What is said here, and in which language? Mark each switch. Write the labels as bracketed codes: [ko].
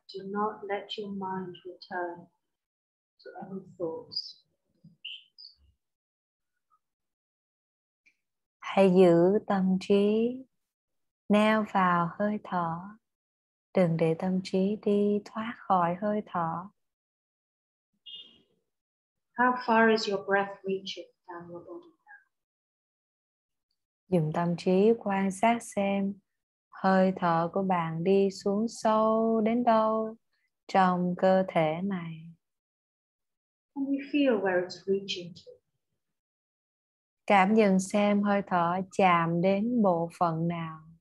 [en] Do not let your mind return to other thoughts. [vi] Hãy giữ tâm trí neo vào hơi thở. Đừng để tâm trí đi thoát khỏi hơi thở. [en] How far is your breath reaching down your body now? [vi] Dùng tâm trí quan sát xem hơi thở của bạn đi xuống sâu đến đâu trong cơ thể này. [en] Can you feel where it's reaching to? [vi] Cảm nhận xem hơi thở chạm đến bộ phận nào.